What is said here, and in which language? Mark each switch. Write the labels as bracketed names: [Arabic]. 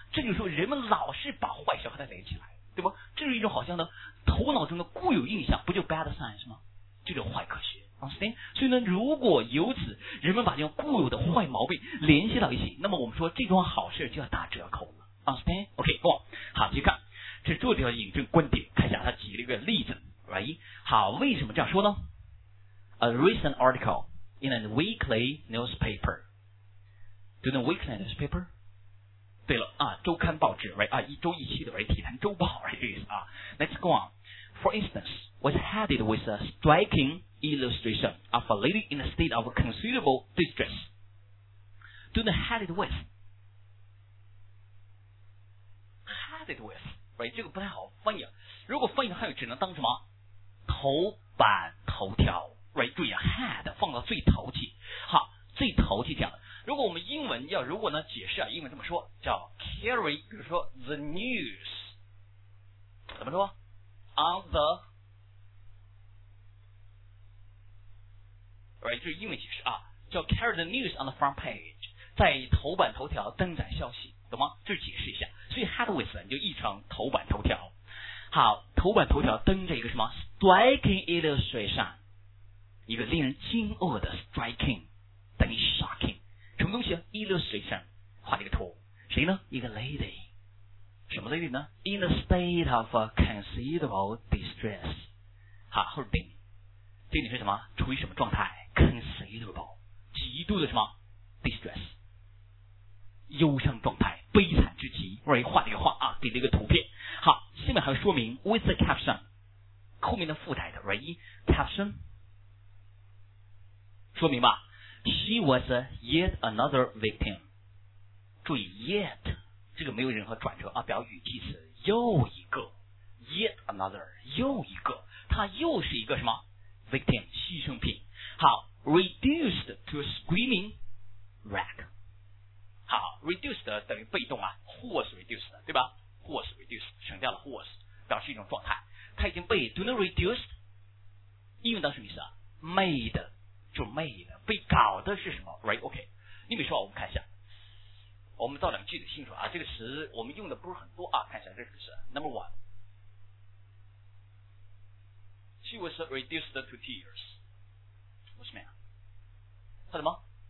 [Chinese] 这就是说，人们老是把坏事和他连起来，对吧？这是一种好像呢，头脑中的固有印象，不就 [English] bad science [Chinese] 吗？就是坏科学。所以呢，如果由此人们把这种固有的坏毛病联系到一起，那么我们说这桩好事就要打折扣了。 [English] Understand? OK， go on。 [Chinese] 好，去看，这作者要引证观点，看一下他举了一个例子 ，right？好，为什么这样说呢 [English] ？A recent article in a weekly newspaper. Do you know weekly newspaper? [Chinese] 对了啊，周刊报纸 ，right？ 啊，一周一期的 ，right？ 体坛周报 ，right？这意思啊。 [English] Let's go on. For instance, was headed with a striking. Illustration of a lady in a state of considerable distress. Do not had it with. Had it with. [Chinese] Right, 这个不太好翻译。如果翻译的话，只能当什么？头版头条。 Right, 注意 had 放到最头去。好，最头去讲。如果我们英文要如果呢解释啊，英文这么说叫 carry， 比如说 the news， 怎么说 ？On the。 Right, 就是英文解释啊，叫 [English] carry the news on the front page， [Chinese] 在头版头条登载消息，懂吗？就是解释一下，所以 had with 就译成头版头条。好，头版头条登着一个什么 striking illustration， 一个令人惊愕的 striking， 等于 shocking， 什么东西啊 ？illustration 画了一个图，谁呢？一个 lady， 什么 lady 呢 ？ [English] In a state of considerable distress， [Chinese] 好，后定。这里是什么？处于什么状态 ？Considerable， 极度的什么 ？Distress， 忧伤状态，悲惨之极。Right， 画了一个画啊，给了一个图片。好，下面还有说明 [English] with the caption， [Chinese] 后面的附带的 re caption， 说明吧。 [English] She was yet another victim。 [Chinese] 注意 yet 这个没有任何转折啊，表语气词又一个 [English] yet another [Chinese] 又一个，她又是一个什么 victim 牺牲品。 [English] 好 ，reduced to screaming wreck。 [Chinese] 好 ，reduced 等于被动啊 ，was reduced 对吧 ？was reduced 省掉了 was， 表示一种状态，它已经被 do not reduced 应用到什么意思啊 ？made 就 made 被搞的是什么 ？right OK， 你比如说我们看一下，我们造两句子清楚啊，这个词我们用的不是很多啊，看一下这个词 ，number one， [English] she was reduced to tears， [Chinese] 为什么呀？看什么？